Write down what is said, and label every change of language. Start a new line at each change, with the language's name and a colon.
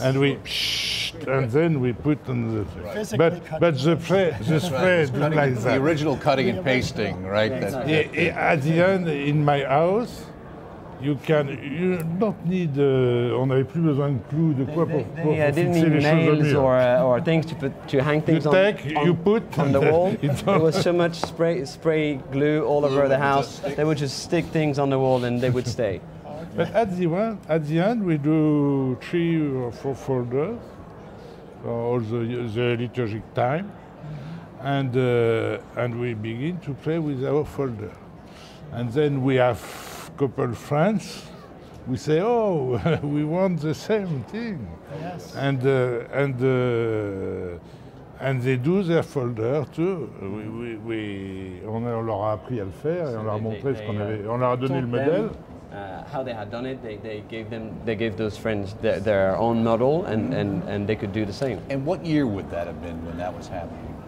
English: And we and then we put on the physically but the spray cutting, like that. The original cutting and pasting, right? Yeah, exactly. At the end, in my house, you don't need.
French: On n'avait plus besoin de clous, de quoi pour fixer les choses.
English: Didn't need nails or things to hang things on the wall. There was so much spray glue all over the house. They would just stick things on the wall and they would stay. But at the end, we do three or four folders for all the liturgic time, and we begin to play with our folder, and then we have couple friends, we say, oh, we want the same thing. Yes. And they do their folder too.
French: We on leur a appris à le faire, et on leur a montré ce qu'on avait, on leur a donné le modèle.
English: How they had done it, they gave those friends their own model, and they could do the same. And what year would that have been when that was happening?